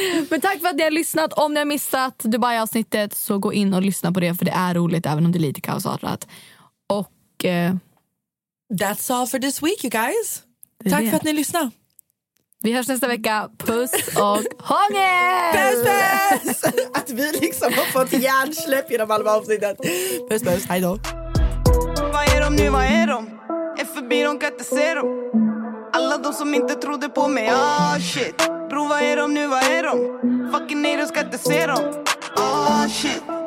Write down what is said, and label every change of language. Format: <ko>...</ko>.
<sv>Men tack för att ni har lyssnat. Om ni har missat Dubai-avsnittet så gå in och lyssna på det, för det är roligt även om det är lite kaosartat. Och</sv> <en>that's all for this week, you guys.</en> <sv>Tack för att ni lyssnade. Vi hörs nästa vecka. Puss och hångel! Puss, puss! Att vi liksom har fått hjärnsläpp genom alla avsnittet. Puss, puss. Hej då. Vad är de nu? Vad är de? FB, de kan inte se dem. Alla de som inte trodde på mig. Ah, shit. Bro, vad är de nu? Vad är de? Fucking nej, de ska inte se dem. Ah, shit.</sv>